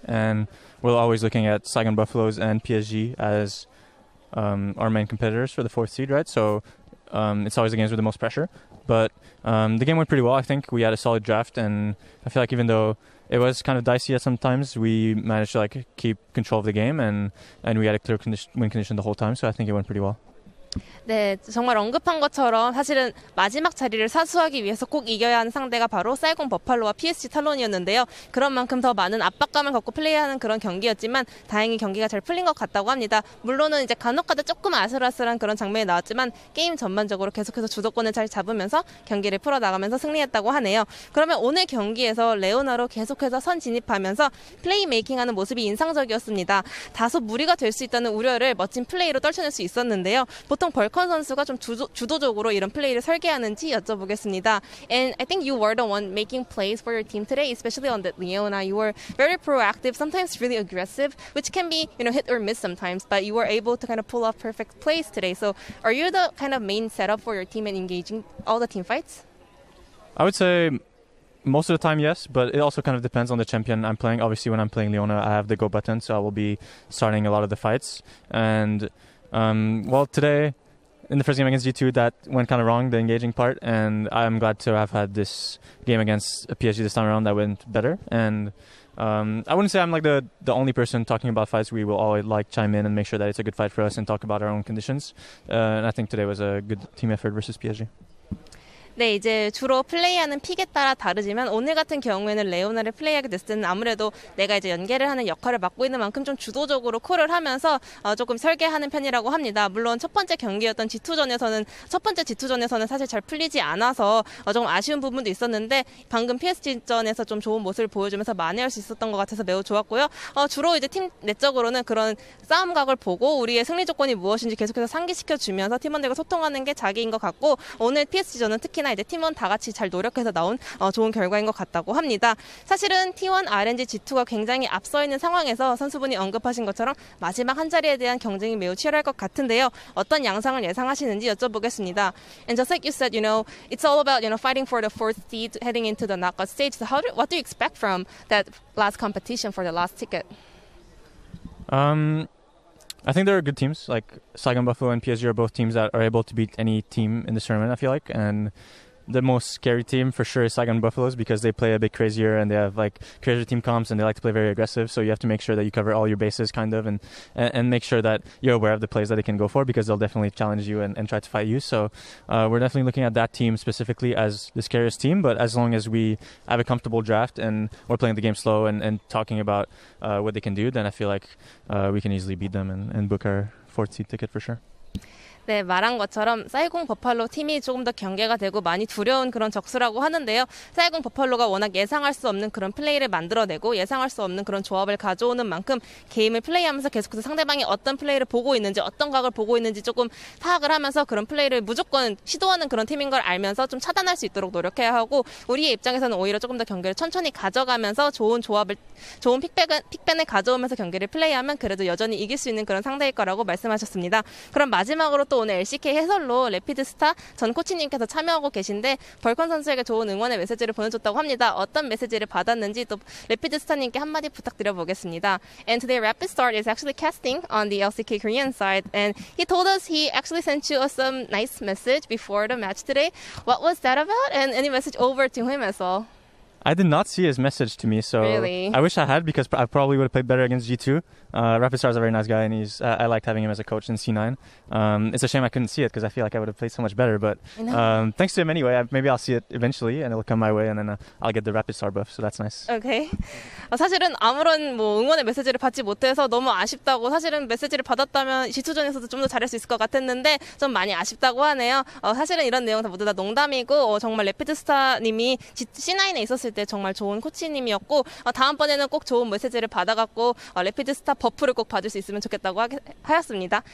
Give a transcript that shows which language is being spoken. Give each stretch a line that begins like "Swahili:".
English: And we're always looking at Saigon Buffaloes and PSG as our main competitors for the fourth seed, right? So it's always the games with the most pressure. But the game went pretty well, I think. We had a solid draft, and I feel like even though it was kind of dicey at some times, we managed to like keep control of the game, and we had a clear win condition the whole time. So I think it went pretty well.
Korean: 네, 정말 언급한 것처럼 사실은 마지막 자리를 사수하기 위해서 꼭 이겨야 하는 상대가 바로 사이공 버팔로와 PSG 탈론이었는데요. 그런 만큼 더 많은 압박감을 갖고 플레이하는 그런 경기였지만 다행히 경기가 잘 풀린 것 같다고 합니다. 물론은 이제 간혹가다 조금 아슬아슬한 그런 장면이 나왔지만 게임 전반적으로 계속해서 주도권을 잘 잡으면서 경기를 풀어나가면서 승리했다고 하네요. 그러면 오늘 경기에서 레오나로 계속해서 선 진입하면서 플레이메이킹하는 모습이 인상적이었습니다. 다소 무리가 될 수 있다는 우려를 멋진 플레이로 떨쳐낼 수 있었는데요. 보통 벌컨 선수가 좀 주도적으로 이런 플레이를 설계하는지 여쭤보겠습니다.
English: And I think you were the one making plays for your team today, especially on the Leona. You were very proactive, sometimes really aggressive, which can be, you know, hit or miss sometimes, but you were able to kind of pull off perfect plays today. So are you the kind of main setup for your team in engaging all the team fights? I would say most of the time, yes, but it also kind of depends on the champion I'm playing. Obviously, when I'm playing Leona, I have the go button, so I will be starting a lot of the fights. And... Well, today in the first game against G2 that went kind of wrong, the engaging part, and I'm glad to have had this game against PSG this time around that went better. And I wouldn't say I'm like the only person talking about fights. We will always like chime in and make sure that it's a good fight for us and talk about our own conditions. And I think today was a good team effort versus PSG.
Korean: 네, 이제 주로 플레이하는 픽에 따라 다르지만 오늘 같은 경우에는 레오나를 플레이하게 됐을 때는 아무래도 내가 이제 연계를 하는 역할을 맡고 있는 만큼 좀 주도적으로 콜을 하면서 조금 설계하는 편이라고 합니다. 물론 첫 번째 경기였던 G2전에서는 사실 잘 풀리지 않아서 조금 아쉬운 부분도 있었는데 방금 PSG전에서 좀 좋은 모습을 보여주면서 만회할 수 있었던 것 같아서 매우 좋았고요. 주로 이제 팀 내적으로는 그런 싸움각을 보고 우리의 승리 조건이 무엇인지 계속해서 상기시켜주면서 팀원들과 소통하는 게 자기인 것 같고 오늘 PSG전은 특히 특히나 이제 팀원 다 같이 잘 노력해서 나온 좋은 결과인 것 같다고 합니다. 사실은 T1, RNG, G2가 굉장히 앞서 있는 상황에서 선수분이 언급하신 것처럼 마지막 한 자리에 대한 경쟁이 매우 치열할 것 같은데요. 어떤 양상을 예상하시는지 여쭤보겠습니다.
English: And just like you said, you know, it's all about, you know, fighting for the fourth seed heading into the knockout stage. So what do you expect from that last competition for the last ticket? I think there are good teams, like Saigon Buffalo and PSG are both teams that are able to beat any team in this tournament, I feel like. And the most scary team for sure is Saigon Buffalo's because they play a bit crazier and they have like crazier team comps and they like to play very aggressive. So you have to make sure that you cover all your bases kind of and make sure that you're aware of the plays that they can go for because they'll definitely challenge you and try to fight you. So we're definitely looking at that team specifically as the scariest team. But as long as we have a comfortable draft and we're playing the game slow and talking about what they can do, then I feel like we can easily beat them and book our fourth seed ticket for sure. 네, 말한 것처럼 사이공 버팔로 팀이 조금 더 경계가 되고 많이 두려운 그런 적수라고 하는데요. 사이공 버팔로가 워낙 예상할 수 없는 그런 플레이를 만들어내고 예상할 수 없는 그런 조합을 가져오는 만큼 게임을 플레이하면서 계속해서 상대방이 어떤 플레이를 보고 있는지 어떤 각을 보고 있는지 조금 파악을 하면서 그런 플레이를 무조건 시도하는 그런 팀인 걸 알면서 좀 차단할 수 있도록 노력해야 하고 우리의 입장에서는 오히려 조금 더 경계를 천천히 가져가면서 좋은 조합을 좋은 픽밴을 가져오면서 경기를 플레이하면 그래도 여전히 이길 수 있는 그런 상대일 거라고 말씀하셨습니다. 그럼 마지막으로 또 오늘 LCK 해설로 래피드 스타 전 코치님께서 참여하고 계신데 벌컨 선수에게 좋은 응원의 메시지를 보내줬다고 합니다. 어떤 메시지를 받았는지 또 래피드 스타님께 한마디 부탁드려보겠습니다. And today Rapid Star is actually casting on the LCK Korean side and he told us he actually sent you some nice message before the match today. What was that about? And any message over to him as well? I did not see his message to me, so really? I wish I had because I probably would have played better against G2. Rapid Star is a very nice guy, and I liked having him as a coach in C9. It's a shame I couldn't see it because I feel like I would have played so much better, but thanks to him anyway. Maybe I'll see it eventually, and it'll come my way, and then I'll get the Rapid Star buff, so that's nice. Okay.
Korean: 사실은 아무런 뭐 응원의 메시지를 받지 못해서 너무 아쉽다고 사실은 메시지를 받았다면 G2전에서도 좀 더 잘할 수 있을 것 같았는데 좀 많이 아쉽다고 하네요. 사실은 이런 내용 다 모두 다 농담이고 정말 래피드스타님이 C9에 있었을 때 정말 좋은 코치님이었고 다음번에는 꼭 좋은 메시지를 받아갖고 래피드스타 버프를 꼭 받을 수 있으면 좋겠다고 하였습니다.